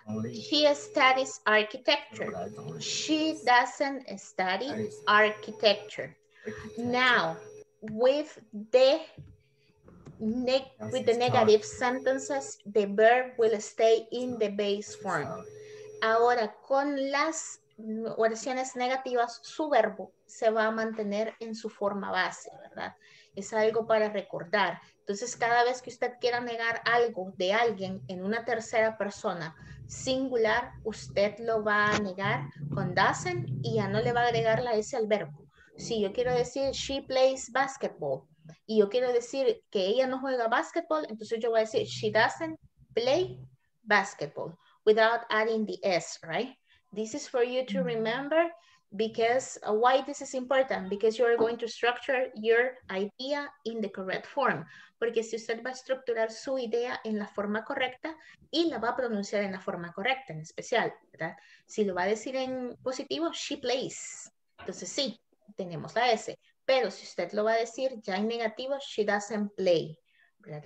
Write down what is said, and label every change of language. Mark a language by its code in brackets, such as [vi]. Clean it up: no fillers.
[en] He studies architecture. She doesn't study architecture. Now, with the negative sentences, the verb will stay in the base form. [es] Ahora, con las oraciones negativas, su verbo se va a mantener en su forma base, ¿verdad? Es algo para recordar. Entonces, cada vez que usted quiera negar algo de alguien en una tercera persona singular, usted lo va a negar con doesn't y ya no le va a agregar la S al verbo. Si yo quiero decir she plays basketball y yo quiero decir que ella no juega basketball, entonces yo voy a decir she doesn't play basketball without adding the S, right? [en] This is for you to remember because why this is important, because you are going to structure your idea in the correct form. [es] Porque si usted va a estructurar su idea en la forma correcta y la va a pronunciar en la forma correcta, en especial, ¿verdad? Si lo va a decir en positivo, she plays. Entonces sí, tenemos la S. Pero si usted lo va a decir ya en negativo, she doesn't play. ¿Verdad?